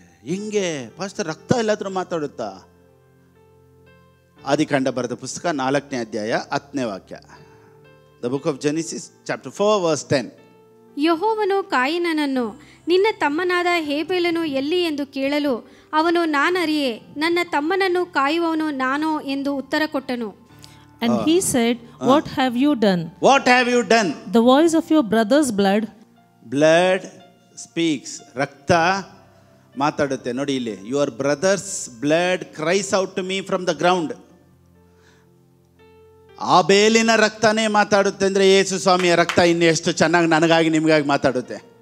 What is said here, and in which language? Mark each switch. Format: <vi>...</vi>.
<kn>ಹಿಂಗೆ ಪಾಸ್ಟರ್, ರಕ್ತ ಎಲ್ಲಾದರೂ ಮಾತಾಡುತ್ತಾ? ಆದಿಕಾಂಡ ಬರೆದ ಪುಸ್ತಕ 4:10.</kn> <en>The book of Genesis, chapter 4, verse 10.</en> <kn>ಯೆಹೋವನು ಕಾಯಿನನನ್ನು, ನಿನ್ನ ತಮ್ಮನಾದ ಹೇಬೈಲನು ಎಲ್ಲಿ ಎಂದು ಕೇಳಲು, ಅವನು ನಾನರಿಯೇ, ನನ್ನ ತಮ್ಮನನ್ನು ಕಾಯುವವನು ನಾನೋ ಎಂದು ಉತ್ತರ ಕೊಟ್ಟನು.</kn> <en>And he said, what have you done? What have you done? The voice of your brother's blood. Blood speaks.</en> <kn>ರಕ್ತ ಮಾತಾಡುತ್ತೆ. ನೋಡಿ ಇಲ್ಲಿ,</kn> <en>Your brother's blood cries out to me from the ground.</en> <kn>ಆ ಬೇಲಿನ ರಕ್ತನೇ ಮಾತಾಡುತ್ತೆ ಅಂದರೆ ಯೇಸು ಸ್ವಾಮಿಯ ರಕ್ತ ಇನ್ನು ಎಷ್ಟು ಚೆನ್ನಾಗಿ ನನಗಾಗಿ ನಿಮಗಾಗಿ ಮಾತಾಡುತ್ತೆ.</kn>